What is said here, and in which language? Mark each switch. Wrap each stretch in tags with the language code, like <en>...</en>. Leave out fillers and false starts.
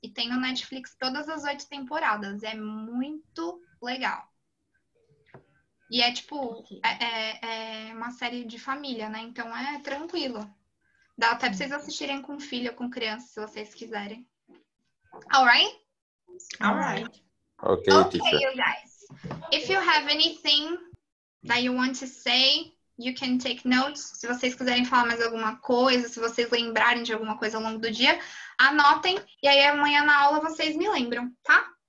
<pt>E tem no Netflix todas as 8 temporadas. É muito legal. E é tipo, é uma série de família, né? Então é tranquilo. Dá até pra vocês assistirem com filho ou com criança, se vocês quiserem.</pt> <en>Alright? Ok, you guys. If you have anything that you want to say, you can take notes.</en> <pt>Se vocês quiserem falar mais alguma coisa, se vocês lembrarem de alguma coisa ao longo do dia, anotem e aí amanhã na aula vocês me lembram, tá?</pt>